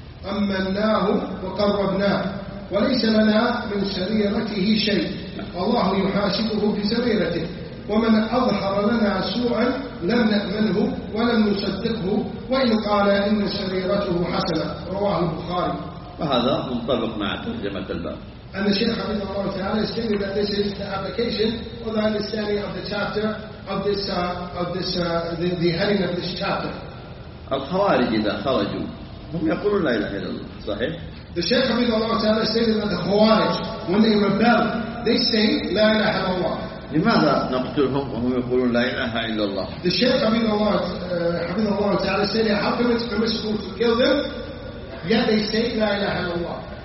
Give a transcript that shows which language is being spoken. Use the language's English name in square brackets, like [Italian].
[Arabic] أمناه وقربناه وليس لنا من سريرته شيء والله يحاسبه بسريرته ومن أظهر لنا سوءا لم نأمنه ولم نصدقه وإن قال إن سريرته حسنة. رواه البخاري. وهذا منطبق مع ترجمة الباب. [English] And the Sheikh Habib Allah Ta'ala is saying that this is the application or the understanding of the chapter of this the heading of this chapter. [Arabic] الخوارج إذا خرجوا هم يقولون لا إله إلا الله. صحيح. [English] The Sheikh Habib Allah Ta'ala is saying that the Khawarij, when they rebel, they say [Arabic] لا إله إلا الله. لماذا نقتلهم وهم يقولون لا إله إلا الله؟ [English] The Sheikh Habib Allah Ta'ala is saying how come it's permissible to kill them yet they say [Arabic] لا إله إلا الله.